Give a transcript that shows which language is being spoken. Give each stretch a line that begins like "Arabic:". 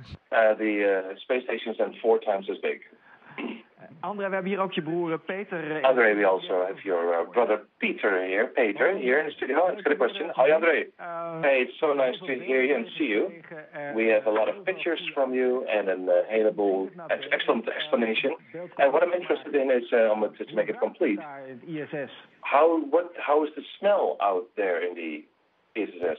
English: The space station is then four times as big.
Dutch: André, we hebben hier ook je broer Peter.
English: André, we also have your brother Peter here. Peter, here in the studio. That's a good question. Hi, André. Hey, it's so nice to hear you and see you. We have a lot of pictures from you and an excellent explanation. And what I'm interested in is, to make it complete, how is the smell out there in the ISS?